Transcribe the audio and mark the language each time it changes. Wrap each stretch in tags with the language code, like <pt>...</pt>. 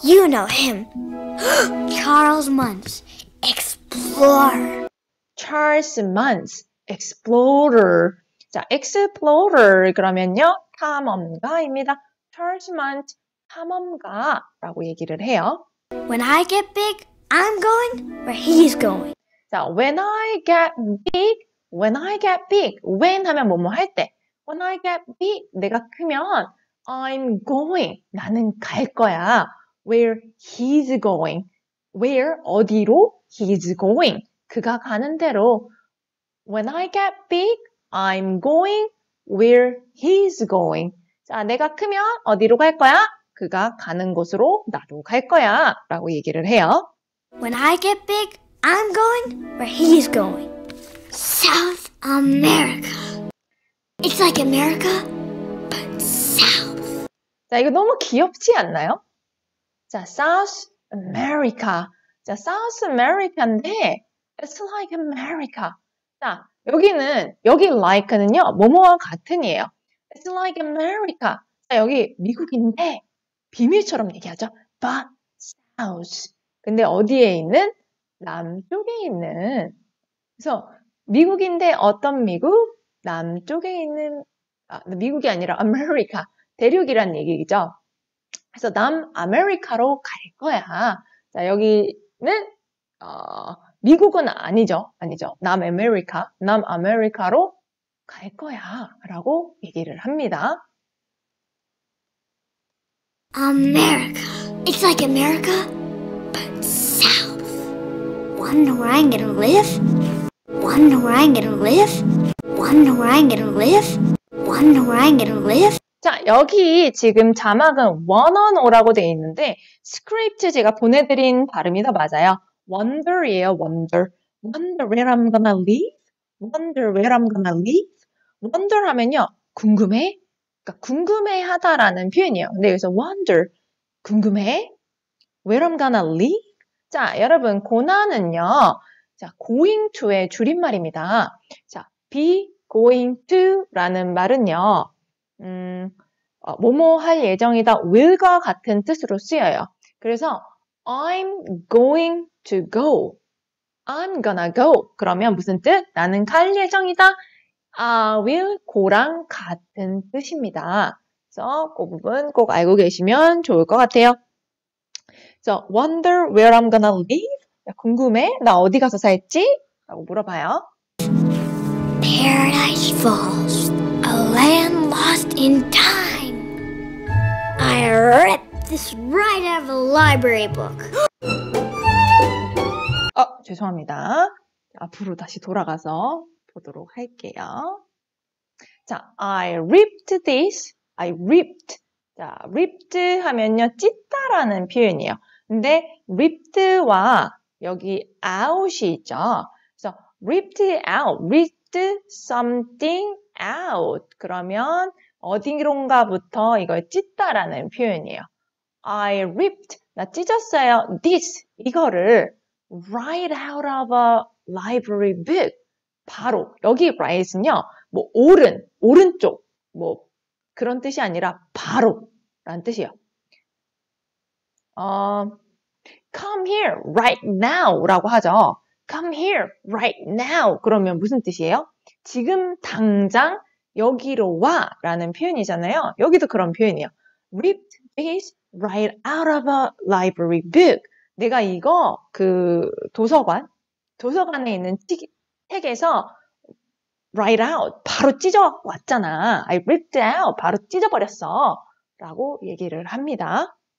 <en>You know him. Charles Munch, explore. Charles Munch, explorer.</en> <ko>자, explorer 그러면요, 탐험가입니다. Charles Munch, 탐험가라고 얘기를 해요.</ko> <en>When I get big, I'm going where he's going.</en> <ko>자,</ko> <en>when I get big,</en> <ko>when 하면 뭐뭐 할 때, when I get big, 내가 크면</ko> <en>I'm going,</en> <ko>나는 갈 거야.</ko> <en>Where he's going, where</en> <ko>어디로</ko> <en>he's going.</en> <ko>그가 가는 대로</ko> <en>When I get big, I'm going where he's going.</en> <ko>자, 내가 크면 어디로 갈 거야? 그가 가는 곳으로 나도 갈 거야. 라고 얘기를 해요.</ko> <en>When I get big, I'm going where he's going. South America. It's like America, but south.</en> <ko>자, 이거 너무 귀엽지 않나요? 자, South America.</ko> <en>자, South America인데, It's like America.</en> <ko>자, 여기 like는요, 뭐뭐와 같은이에요.</ko> <en>It's like America.</en> <ko>자, 여기 미국인데, 비밀처럼 얘기하죠.</ko> <en>But South.</en> <ko>근데 어디에 있는? 남쪽에 있는, 그래서 미국인데 어떤 미국? 남쪽에 있는, 아, 미국이 아니라 아메리카, 대륙이란 얘기죠. 그래서 남아메리카로 갈 거야. 자, 여기는, 미국은 아니죠. 아니죠. 남아메리카, 남아메리카로 갈 거야. 라고 얘기를 합니다.</ko> <en>America. It's like America, but south. Wonder where I'm gonna live? Wonder where I'm gonna live? Wonder where I'm gonna live? Wonder where I'm gonna live?</en> <ko>자, 여기 지금 자막은 원어노라고 돼 있는데, 스크립트 제가 보내드린 발음이 더 맞아요.</ko> <en>wonder이에요, wonder. wonder where I'm gonna live? wonder where I'm gonna live?</en> <ko>wonder 하면요, 궁금해? 그러니까 궁금해 하다라는 표현이에요. 근데 여기서 wonder, 궁금해?</ko> <en>where I'm gonna live?</en> <ko>자, 여러분, gonna는요, 자, going to의 줄임말입니다. 자, be going to라는 말은요, 뭐뭐 할 예정이다, will과 같은 뜻으로 쓰여요.</ko> <en>그래서 I'm going to go. I'm gonna go.</en> <ko>그러면 무슨 뜻? 나는 갈 예정이다.</ko> <en>I will go</en> <ko>랑 같은 뜻입니다. 그래서 그 부분 꼭 알고 계시면 좋을 것 같아요. 그래서</ko> <en>wonder where I'm gonna live?</en> <ko>궁금해? 나 어디 가서 살지? 라고 물어봐요.</ko> <en>Paradise Falls, a land lost in time. I ripped this right out of a library book.</en> <ko>죄송합니다. 앞으로 다시 돌아가서 보도록 할게요.</ko> <en>자, I ripped this. I ripped.</en> <ko>자, ripped 하면요, 찢다라는 표현이에요. 근데 ripped와 여기 out이 있죠.</ko> <en>그래서 ripped out, ripped something out.</en> <ko>그러면 어디론가부터 이걸 찢다라는 표현이에요.</ko> <en>I ripped,</en> <ko>나 찢었어요.</ko> <en>This,</en> <ko>이거를</ko> <en>right out of a library book.</en> <ko>바로, 여기 right은요, 뭐, 오른, 오른쪽, 뭐, 그런 뜻이 아니라 바로라는 뜻이에요.</ko> <en>Come here right now라고 하죠. Come here right now.</en> <ko>그러면 무슨 뜻이에요? 지금 당장 여기로 와라는 표현이잖아요. 여기도 그런 표현이에요.</ko> <en>Ripped this right out of a library book.</en> <ko>내가 이거 그 도서관에 있는 책에서</ko> <en>right out</en> <ko>바로 찢어 왔잖아.</ko> <en>I ripped out</en> <ko>바로 찢어버렸어라고 얘기를 합니다.</ko>